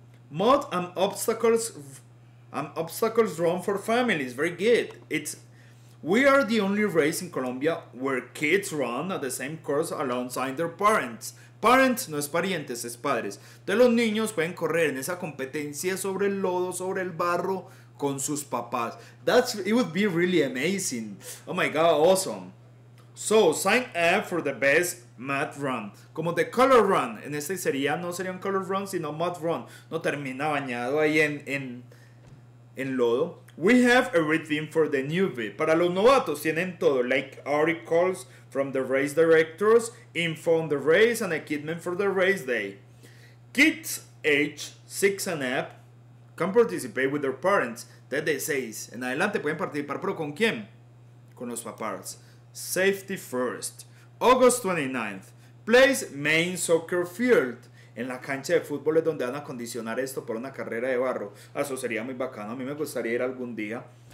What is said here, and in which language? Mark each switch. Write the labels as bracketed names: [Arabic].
[English] Mud and obstacles run for families, very good. We are the only race in Colombia where kids run at the same course alongside their parents. [Spanish] Parents no es parientes, es padres. Entonces los niños pueden correr en esa competencia sobre el lodo, sobre el barro, con sus papás. [English] It would be really amazing. Oh my God, awesome. So, sign up for the best mud run. [Spanish] Como the color run. En este sería, no sería un color run, sino mud run. No termina bañado ahí en lodo. [English] We have everything for the newbie. [Spanish] Para los novatos tienen todo. [English] Like articles from the race directors, info on the race, and equipment for the race day. Kids age 6 and up can participate with their parents. [Spanish] Desde 6 en adelante pueden participar, pero ¿con quién? Con los papás. [English] Safety first. August 29th. Place main soccer field. [Spanish] En la cancha de fútbol es donde van a condicionar esto por una carrera de barro. Eso sería muy bacano. A mí me gustaría ir algún día.